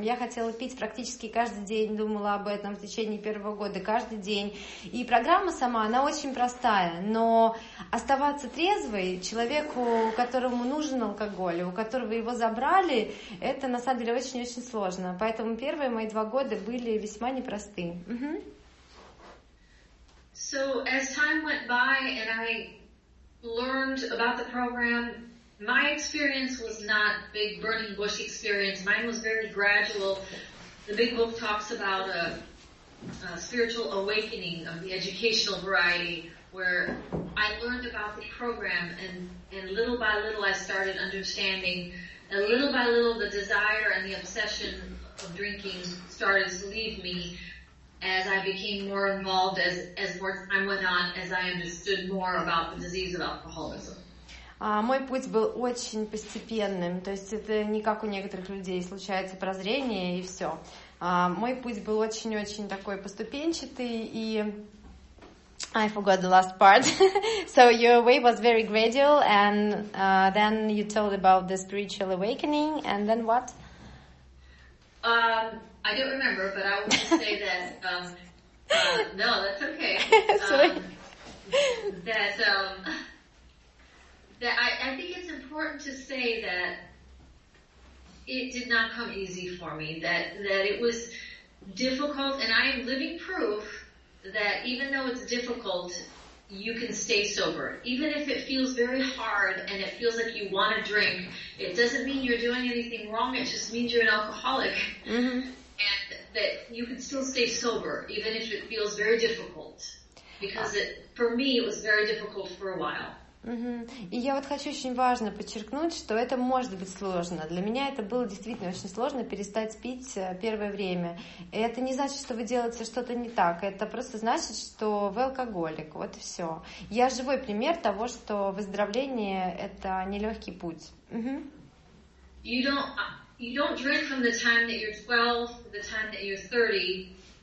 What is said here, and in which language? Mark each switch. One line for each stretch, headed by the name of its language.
Russian: Я хотела пить практически каждый день, думала об этом в течение первого года, каждый день. И программа сама, она очень простая, но оставаться трезвой человеку, которому нужен алкоголь, у которого его забрали, это на самом деле очень-очень сложно. Поэтому первые мои два года были весьма непросты.
English: So as time went by and I learned about the program, my experience was not big burning bush experience. Mine was very gradual. The Big Book talks about a spiritual awakening of the educational variety where I learned about the program and little by little I started understanding. And little by little the desire and the obsession of drinking started to leave me. As I became more involved, as more time went on, as I understood more about the disease of alcoholism.
Russian: Мой путь был очень постепенным, то есть это не как у некоторых людей случается прозрение и все. Мой путь был очень-очень такой поступенчатый и
English: I forgot the last part. So your way was very gradual, and then you told about the spiritual awakening, and then what? I don't remember, but I will just say that, no, that's okay. Sorry. I think it's important to say that it did not come easy for me, that it was difficult, and I am living proof that even though it's difficult, you can stay sober. Even if it feels very hard and it feels like you want to drink, it doesn't mean you're doing anything wrong, it just means you're an alcoholic. Mm-hmm. And that you can still stay sober, even if it feels very difficult. Because for me it was very difficult for a while. Угу.
Russian: И я вот хочу очень важно подчеркнуть, что это может быть сложно. Для меня это было действительно очень сложно перестать пить первое время. И это не значит, что вы делаете что-то не так. Это просто значит, что вы алкоголик. Вот и все. Я живой пример того, что выздоровление – это нелегкий путь. Угу.
English: You don't drink from the time that you're 12 to the time that you're 30.